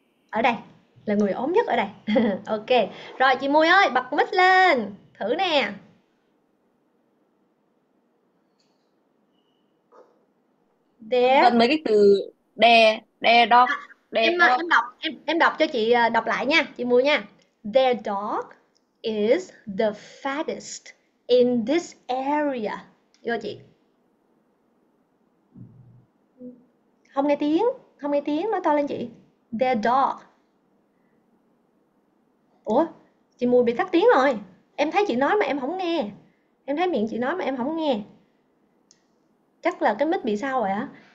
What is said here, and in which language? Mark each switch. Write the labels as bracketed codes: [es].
[vi] Ở đây, là người ốm nhất ở đây. Ok, rồi chị Mui ơi, bật mic lên, thử nè. [en] There. [vi] Cần mấy cái từ đe, dog, dog. Em đọc cho chị đọc lại nha, chị Mui nha. [en] Their dog is the fattest in this area. [vi] Vô chị. Không nghe tiếng, nói to lên chị. Their dog. Ủa, chị Mùi bị tắt tiếng rồi. Em thấy chị nói mà em không nghe. Em thấy miệng chị nói mà em không nghe. Chắc là cái mic bị sao rồi á.